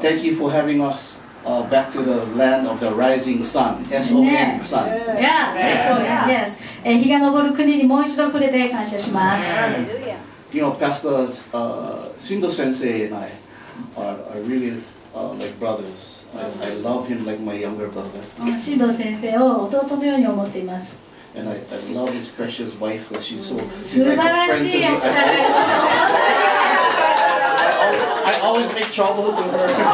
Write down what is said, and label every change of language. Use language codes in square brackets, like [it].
[en] Thank you for having us back to the land of the rising sun. S-O-N, sun. Yeah, S-O-N, yes. [ja] 日が昇る国にもう一度触れて感謝します。 [en] You know, Pastor Sindo Sensei and I are really like brothers. I love him like my younger brother. [ja] Sindo Sensei を弟のように思っています。 [en] And I love his precious wife because she's so I always make trouble to her.